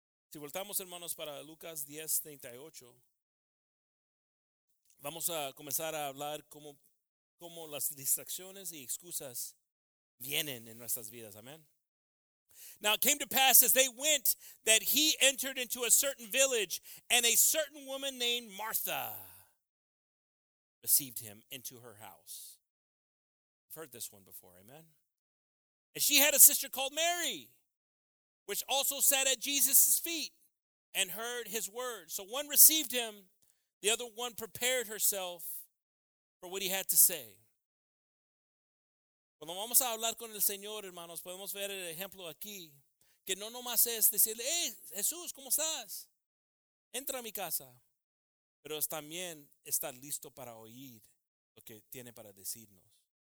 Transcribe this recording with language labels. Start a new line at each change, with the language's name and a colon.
Spanish: Si voltamos, hermanos, para Lucas 10:38. Vamos a comenzar a hablar cómo cómo las distracciones y excusas vienen en nuestras vidas.
English: Amen. Now it came to pass as they went that he entered into a certain village, and a certain woman named Martha received him into her house. I've heard this one before, amen? And she had a sister called Mary, which also sat at Jesus' feet and heard his word. So one received him, the other one prepared herself for what he had to say.
Spanish: Cuando vamos a hablar con el Señor, hermanos, podemos ver el ejemplo aquí, que no nomás es decirle, hey, Jesús, ¿cómo estás? Entra a mi casa. Pero también estar listo para oír lo que tiene para decirnos.